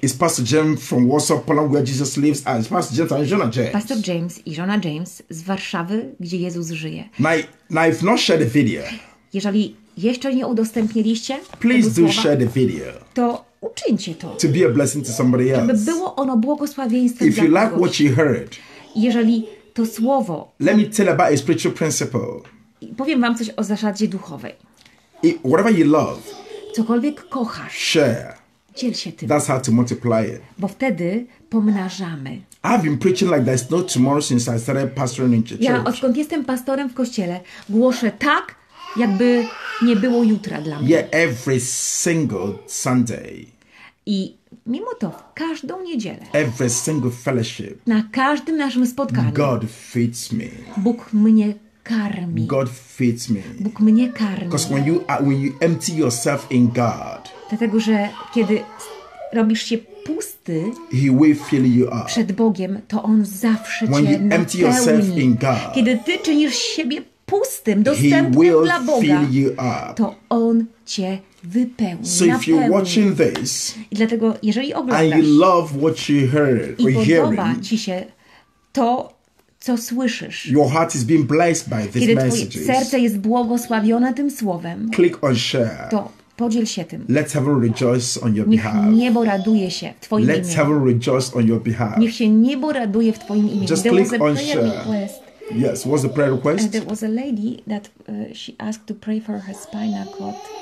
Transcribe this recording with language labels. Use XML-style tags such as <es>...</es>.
<en>It's Pastor James from Warsaw, Poland, where Jesus lives, and it's Pastor James and Jonah James.</en> <pl>Pastor James i Jonah James z Warszawy, gdzie Jezus żyje.</pl> <en>Now, if not share the video.</en> <pl>Jeżeli jeszcze nie udostępniliście,</pl> <en>please do share the video.</en> <pl>To uczyńcie to.</pl> <en>To be a blessing to somebody else.</en> <pl>Żeby było ono błogosławieństwem</pl> <en>if</en> <pl>dla kogoś.</pl> <en>If you like what you heard.</en> <pl>Jeżeli to słowo.</pl> <en>Let me tell about a spiritual principle.</en> <pl>Powiem wam coś o zasadzie duchowej.</pl> <en>Whatever you love.</en> <pl>Cokolwiek kochasz.</pl> <en>Share.</en> <pl>Dziel się tym.</pl> <en>That's how to multiply it.</en> <pl>Bo wtedy pomnażamy.</pl> <en>I've been preaching like there's no tomorrow since I started pastoring in church.</en> <pl>Ja odkąd jestem pastorem w kościele, głoszę tak, jakby nie było jutra dla mnie.</pl> <en>Yeah, every single Sunday.</en> <pl>I mimo to w każdą niedzielę.</pl> <en>Every single fellowship.</en> <pl>Na każdym naszym spotkaniu.</pl> <en>God feeds me.</en> <pl>Bóg mnie karmi.</pl> <en>God feeds me.</en> <pl>Bóg mnie karmi.</pl> <en>Because when you empty yourself in God.</en> <pl>Dlatego że kiedy robisz się pusty.</pl> <en>He will fill you up.</en> <pl>Przed Bogiem to on zawsze</pl> <en>when</en> <pl>cię</pl> <en>you</en> <pl>napełni.</pl> <en>Empty yourself in God.</en> <pl>Kiedy ty czynisz siebie pustym, dostępnym dla Boga, to On cię wypełni.</pl> <en>So if you're watching this,</en> <pl>i dlatego, jeżeli oglądasz</pl> <en>and you love what you heard,</en> <pl>i podoba</pl> <en>hearing,</en> <pl>ci się to, co słyszysz,</pl> <en>your heart is being blessed by these</en> <pl>kiedy</pl> <en>messages,</en> <pl>twoje serce jest błogosławione tym słowem,</pl> <en>click on share.</en> <pl>To podziel się tym.</pl> <en>Let's have a rejoice on your behalf.</en> <pl>Niech niebo raduje się w twoim</pl> <en>let's</en> <pl>imieniu.</pl> <en>Have a rejoice on your behalf.</en> <pl>Niech się niebo raduje w twoim imieniu.</pl> <en>Just click on share. Yes, what's the prayer request? There was a lady that she asked to pray for her spinal cord.</en>